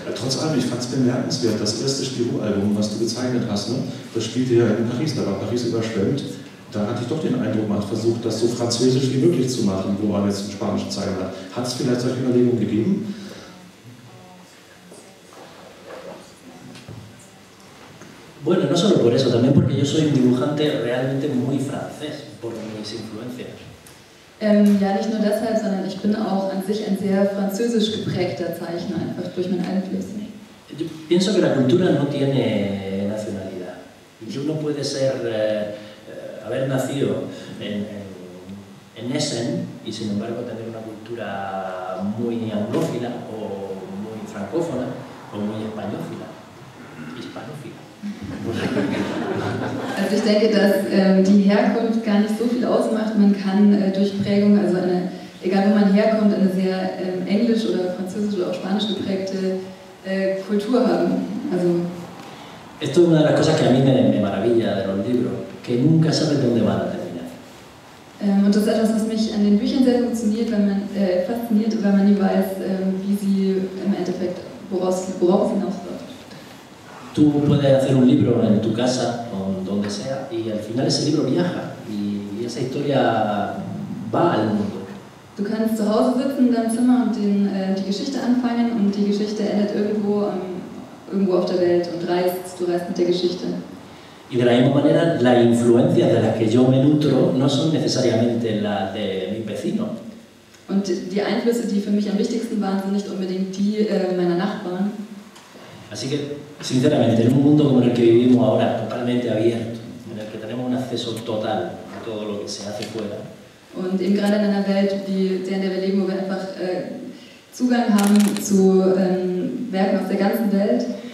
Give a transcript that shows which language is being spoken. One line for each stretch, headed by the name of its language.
German: Trotz allem, ich fand es bemerkenswert, das erste Spirou-Album, was du gezeichnet hast, ne, das spielte ja in Paris, da war Paris überschwemmt. Da hatte ich doch den Eindruck, man hat versucht, das so französisch wie möglich zu machen, wo man jetzt einen spanischen Zeichner hat. Hat es vielleicht solche Überlegungen gegeben?
Spanish: Bueno, no solo por eso, también porque yo soy un dibujante realmente muy francés, por mis influencias.
German: Ja, nicht nur deshalb, sondern ich bin auch an sich ein sehr französisch geprägter Zeichner, einfach durch meine Einflüsse.
Spanish: Yo pienso que la cultura no tiene nacionalidad. Y uno puede ser, haber nacido en Essen y sin embargo tener una cultura muy anglófila o muy francófona o muy españófila. Hispanófila.
German: Also ich denke, dass die Herkunft gar nicht so viel ausmacht. Man kann durch Prägung, also eine, egal wo man herkommt, eine sehr englisch oder französisch oder auch spanisch geprägte Kultur haben. Also
Spanish: esto es una de las cosas que a mí me maravilla de los libros, que nunca sabes dónde van a terminar.
German: Und das ist etwas, was mich an den Büchern sehr funktioniert, weil man fasziniert, weil man nie weiß, wie sie im Endeffekt worauf hinausläuft.
Spanish: Tú puedes hacer un libro en tu casa o donde sea y al final ese libro viaja y esa historia va al mundo.
German: Du kannst zu Hause sitzen in deinem Zimmer und die Geschichte anfangen und die Geschichte endet irgendwo auf der Welt und du reist mit der Geschichte.
Spanish: Y de la misma manera, las influencias de las que yo me nutro no son necesariamente las de mi vecino.
German: Und die Einflüsse, die für mich am wichtigsten waren, sind nicht unbedingt die meiner Nachbarn.
Spanish: Así que, sinceramente, en un mundo como el que vivimos ahora, totalmente abierto, en el que tenemos acceso total a todo lo que se hace fuera.
German: Und eben gerade in einer Welt, wie der, in der wir leben, wo wir einfach Zugang haben zu Werken aus der ganzen Welt,